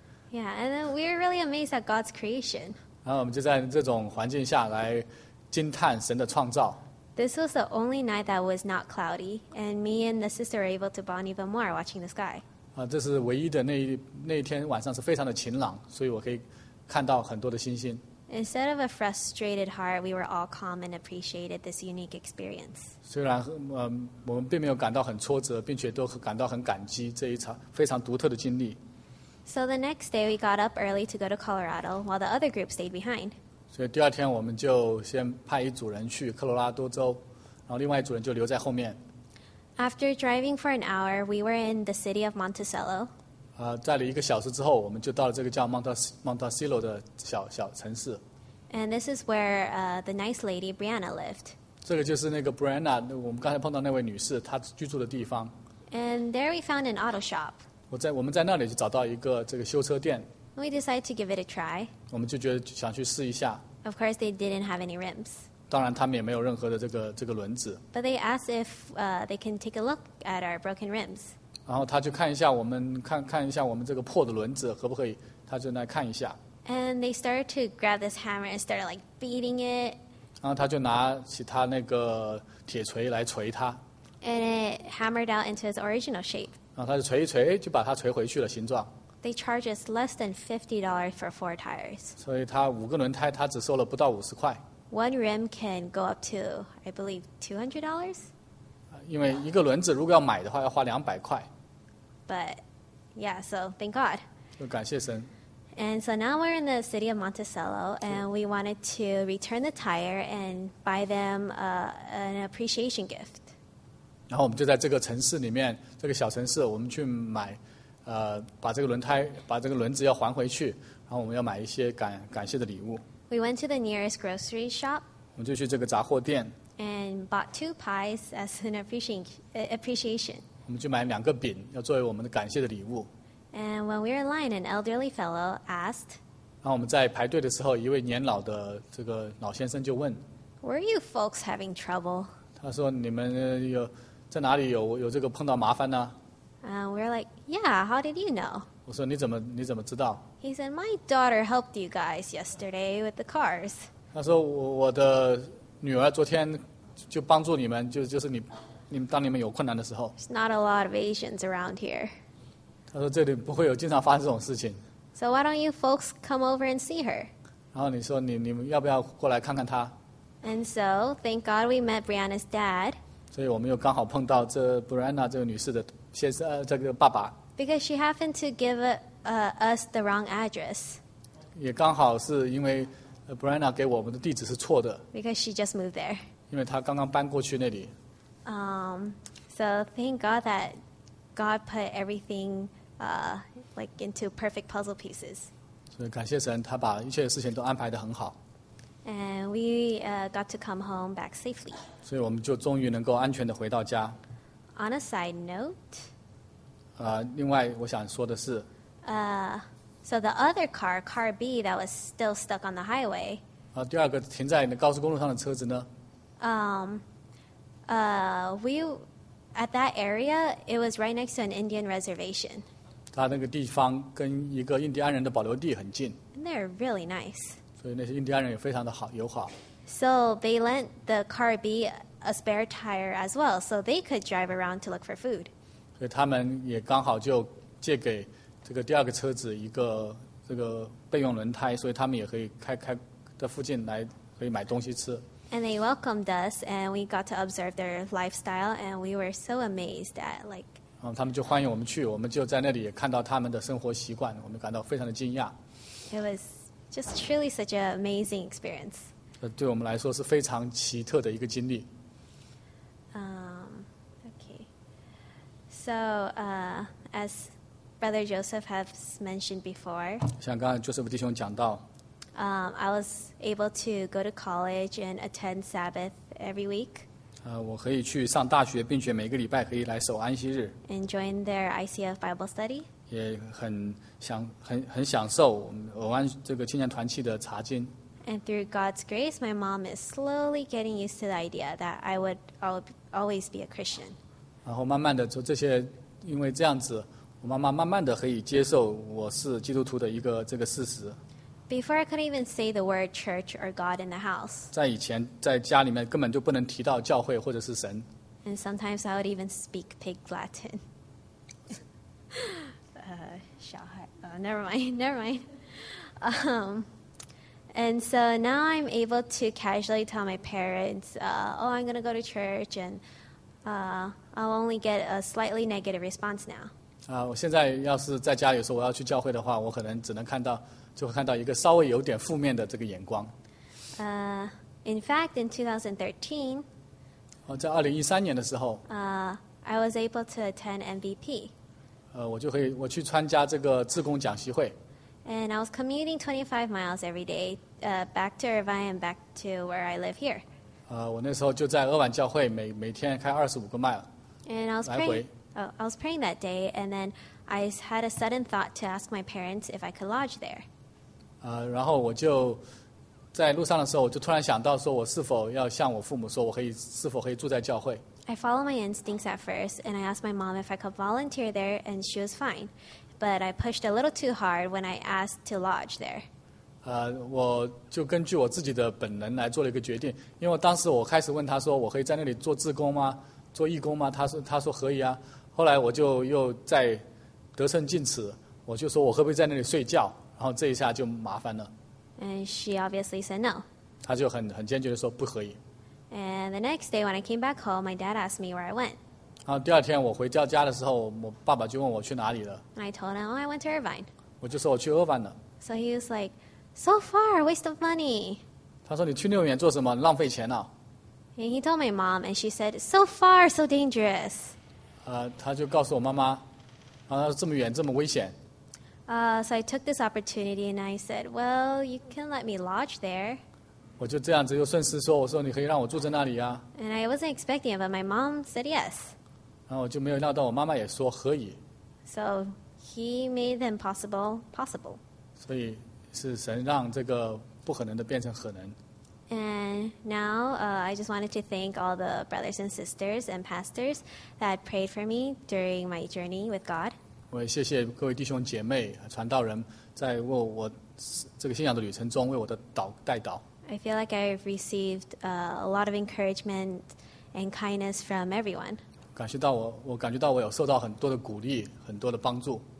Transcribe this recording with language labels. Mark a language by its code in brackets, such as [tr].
[en] Yeah, and then we were really amazed at God's creation. [zh] 然后我们就在这种环境下来惊叹神的创造。 [en] This was the only night that was not cloudy, and me and the sister were able to bond even more watching the sky. [zh] 这是唯一的那一天晚上是非常的晴朗，所以我可以看到很多的星星。 [en] Instead of a frustrated heart, we were all calm and appreciated this unique experience. [zh] 虽然我们并没有感到很挫折，并且都感到很感激这一场非常独特的经历。 [en] So the next day, we got up early to go to Colorado, while the other group stayed behind. [zh] 所以第二天我们就先派一组人去科罗拉多州，然后另外一组人就留在后面。 [en] After driving for an hour, we were in the city of Monticello. [zh] 在了一个小时之后，我们就到了这个叫 Monticello 的小城市。 [en] And this is where the nice lady Brianna lived. [zh] 这个就是那个 Brianna， 我们刚才碰到那位女士她居住的地方。 [en] And there we found an auto shop. [zh] 我们在那里就找到一个这个修车店。 [en] We decided to give it a try. [zh] 我们就觉得想去试一下。 [en] Of course, they didn't have any rims. [zh] 当然，他们也没有任何的这个轮子。 [en] But they asked if they can take a look at our broken rims. [zh] 然后他就看一下我们看一下我们这个破的轮子可不可以，他就来看一下。 [en] And they started to grab this hammer and started like beating it. [zh] 然后他就拿起他那个铁锤来锤它。 [en] And it hammered out into its original shape. [zh] 然后他就锤一锤，就把它锤回去了形状。 [en] They charge us less than $50 for four tires. [zh] 所以他五个轮胎，他只收了不到50块。 [en] One rim can go up to, I believe, $200. [zh] 因为一个轮子如果要买的话，要花200块。 [en] But, yeah. So thank God. [zh] 就感谢神。 [en] And so now we're in the city of Monticello, and we wanted to return the tire and buy them an appreciation gift. [zh] 然后我们就在这个城市里面，这个小城市，我们去买。把这个轮胎，把这个轮子要还回去，然后我们要买一些感谢的礼物。 [en] We went to the nearest grocery shop. [zh] 我们就去这个杂货店。 [en] And bought two pies as an appreciation. [zh] 我们就买两个饼，要作为我们的感谢的礼物。 [en] And when we were in line, an elderly fellow asked. [zh] 然后我们在排队的时候，一位年老的这个老先生就问。 [en] Were you folks having trouble? [zh] 他说你们有在哪里有这个碰到麻烦呢？ [en] We're like, yeah, how did you know? [zh] 我说你怎么知道? [en] He said, my daughter helped you guys yesterday with the cars. [zh] 他说我的女儿昨天就帮助你们，就是你们当你们有困难的时候。 [en] There's not a lot of Asians around here. [zh] 他说这里不会有经常发生这种事情。 [en] So why don't you folks come over and see her? [zh] 然后你说你们要不要过来看看她? [en] And so, thank God we met Brianna's dad. [zh] 所以我们又刚好碰到这 Brianna 这个女士的先生，这个爸爸。 [en] Because she happened to give us the wrong address. [zh] 也刚好是因为 Brianna 给我们的地址是错的。 [en] Because she just moved there. [zh] 因为她刚刚搬过去那里。 [en] So thank God that God put everything like into perfect puzzle pieces. [zh] 所以感谢神，他把一切事情都安排得很好。 [en] And we got to come home back safely. [zh] 所以我们就终于能够安全地回到家。 [en] On a side note, [zh] 另外我想说的是 [en] so the other car, car B, that was still stuck on the highway, [zh] 第二个停在高速公路上的车子呢 [en] at that area, it was right next to an Indian reservation. [zh] 它那个地方跟一个印第安人的保留地很近。 [en] And they're really nice. [zh] 所以那些印第安人也非常的好友好。 [en] So they lent the car B a spare tire as well, so they could drive around to look for food. [zh] 所以他们也刚好就借给这个第二个车子一个这个备用轮胎，所以他们也可以开在附近来可以买东西吃。 [en] And they welcomed us, and we got to observe their lifestyle, and we were so amazed at like. [zh] 他们就欢迎我们去，我们就在那里也看到他们的生活习惯，我们感到非常的惊讶。 [en] It was just truly such an amazing experience. [zh] 对我们来说是非常奇特的一个经历。 [en] So, as Brother Joseph has mentioned before, [zh] 像刚才 Joseph 弟兄讲到 [en] I was able to go to college and attend Sabbath every week. [zh] 我可以去上大学，并且每个礼拜可以来守安息日。 [en] And join their ICF Bible study. [zh] 也很享受我们这个青年团契的查经。 [en] And through God's grace, my mom is slowly getting used to the idea that I would always be a Christian. [zh] 然后慢慢的，这些，因为这样子，我妈妈慢慢的可以接受我是基督徒的一个这个事实。 [en] Before I could even say the word church or God in the house. [zh] 在以前，在家里面根本就不能提到教会或者是神。 [en] And sometimes I would even speak pig Latin. never mind. And so now I'm able to casually tell my parents, I'm going to go to church and. I'll only get a slightly negative response now. [zh] 我现在要是在家有时候我要去教会的话，我可能只能看到，就会看到一个稍微有点负面的这个眼光。 [en] In fact, in 2013, [zh] 在2013年的时候， [en] I was able to attend MVP. [zh] 我去参加这个志工讲习会。 [en] And I was commuting 25 miles every day, back to Irvine and back to where I live here. [zh] 我那时候就在厄婉教会每天开25个mile. [en] And I was praying that day, and then I had a sudden thought to ask my parents if I could lodge there. [zh] 然后我就在路上的时候，我就突然想到说，我是否要向我父母说，是否可以住在教会。 [en] I followed my instincts at first, and I asked my mom if I could volunteer there, and she was fine. But I pushed a little too hard when I asked to lodge there. [zh] 我就根据我自己的本能来做了一个决定，因为当时我开始问他说，我可以在那里做志工吗？做义工吗？他说可以啊。后来我就又在得寸进尺，我就说我可不可以在那里睡觉？然后这一下就麻烦了。 [en] And she obviously said no. [zh] 他就很坚决地说不可以。 [en] And the next day when I came back home, my dad asked me where I went. [zh] 然后第二天我回到家的时候，我爸爸就问我去哪里了。 [en] And I told him, oh, I went to Irvine. [zh] 我就说我去厄湾了。 [en] So he was like, so far, waste of money. [zh] 他说你去那么远做什么？浪费钱啊。 [en] And he told my mom, and she said, so far, so dangerous. [zh] 他就告诉我妈妈，然后他说这么远，这么危险。 [en] So I took this opportunity, and I said, well, you can let me lodge there. [zh] 我就这样子又顺势说，我说你可以让我住在那里啊。 [en] And I wasn't expecting it, but my mom said yes. [zh] 然后我就没有料到我妈妈也说可以。 [en] So he made the impossible possible. [zh] 所以是神让这个不可能的变成可能。 [en] And now, I just wanted to thank all the brothers and sisters and pastors that prayed for me during my journey with God. [zh] 我也谢谢各位弟兄姐妹、传道人在为我这个信仰的旅程中为我的带导。 [en] I feel like I've received a lot of encouragement and kindness from everyone. [zh] 我感觉到我有受到很多的鼓励、很多的帮助。